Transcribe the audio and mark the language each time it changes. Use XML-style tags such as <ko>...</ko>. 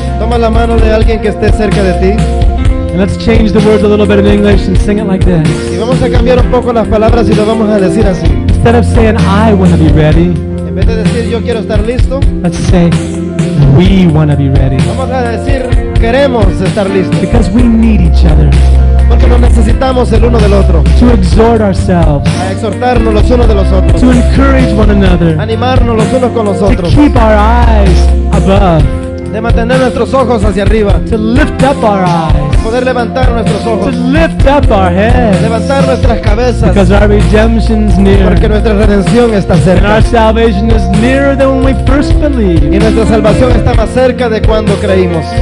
<es>Toma la mano de alguien que esté cerca de ti.</es> <en>And let's change the words a little bit in English and sing it like this.</en> <es>Y vamos a cambiar un poco las palabras y lo vamos a decir así.</es> <en>Instead of saying I want to be ready,</en> <es>en vez de decir yo quiero estar listo,</es> <en>let's say we want to be ready.</en> <es>Vamos a decir queremos estar listos.</es> <en>Because we need each other.</en> <es>Porque nos necesitamos el uno del otro.</es> <en>To exhort ourselves.</en> <es>A exhortarnos los unos de los otros.</es> <en>To encourage one another.</en> <es>Animarnos los unos con los otros.</es> <en>To keep our eyes above.</en> <es>De mantener nuestros ojos hacia arriba.</es> <en>To lift up our eyes.</en> <es>Poder levantar nuestros ojos.</es> <en>To lift up our heads.</en> <es>Levantar nuestras cabezas.</es> <en>Because our redemption's near.</en> <es>Porque nuestra redención está cerca.</es> <en>And our salvation is nearer than when we first believed.</en> <es>Y nuestra salvación está más cerca de cuando creímos.</es>